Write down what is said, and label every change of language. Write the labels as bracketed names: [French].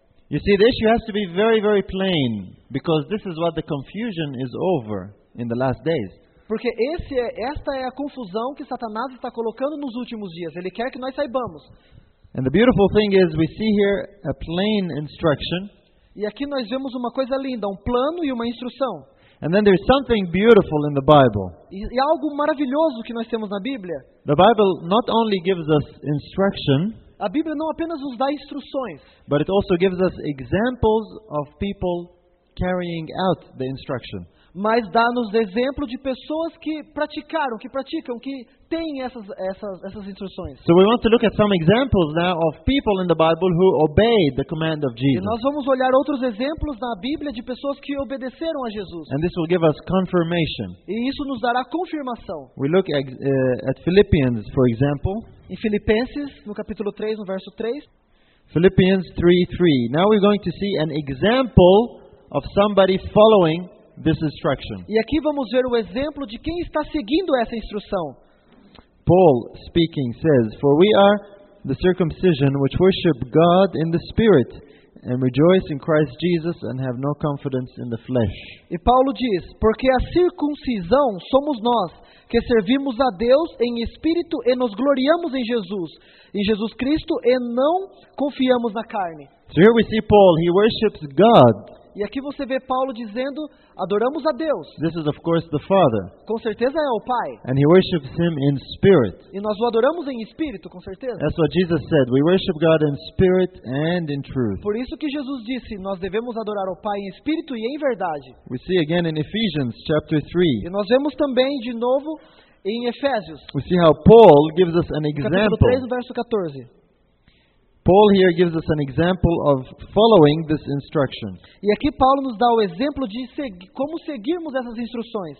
[English] You see, the issue has to be very, very plain, because this is what the confusion is over in the last days. [Portuguese] Porque esta é a confusão que Satanás está colocando nos últimos dias. Ele quer que nós saibamos. [English] And the beautiful thing is, we see here a plain instruction. [Portuguese] E aqui nós vemos uma coisa linda, um plano e uma instrução. [English] And then there's something beautiful in the Bible. [Portuguese] E algo maravilhoso que nós temos na Bíblia. [English] The Bible not only gives us instruction. [Portuguese] A Bíblia não apenas nos dá instruções, [English] but it also gives us examples of people carrying out the instruction. [Portuguese] Mas dá-nos exemplo de pessoas que praticaram, que praticam, que têm essas instruções. [English] So we want to look at some examples now of people in the Bible who obeyed the command of Jesus. [Portuguese] E nós vamos olhar outros exemplos na Bíblia de pessoas que obedeceram a Jesus. [English] And this will give us confirmation. [Portuguese] E isso nos dará confirmação. [English] We look at Philippians, for example. [Portuguese] Em Filipenses, no capítulo 3, no verso 3. [English] Philippians 3:3. Now we're going to see an example of somebody following this instruction. [Portuguese] E aqui vamos ver o exemplo de quem está seguindo essa instrução. [English] Paul speaking says, for we are the circumcision which worship God in the spirit and rejoice in Christ Jesus and have no confidence in the flesh. [Portuguese] E Paulo diz, porque a circuncisão somos nós que servimos a Deus em espírito e nos gloriamos em Jesus Cristo e não confiamos na carne. [English] So here we see Paul, he worships God. [Portuguese] E aqui você vê Paulo dizendo, adoramos a Deus. [English] This is of course the Father. [Portuguese] Com certeza é o Pai. [English] And he worships him in spirit. [Portuguese] E nós o adoramos em espírito, com certeza. [English] That's what Jesus said. We worship God in spirit and in truth. [Portuguese] Por isso que Jesus disse, nós devemos adorar ao Pai em espírito e em verdade. [English] We see again in Ephesians chapter 3. [Portuguese] E nós vemos também de novo em Efésios. [English] We see how Paul gives us an example. [Portuguese] Capítulo 3, verso 14. [English] Paul here gives us an example of following this instruction. [Portuguese] E aqui Paulo nos dá o exemplo de como seguirmos essas instruções.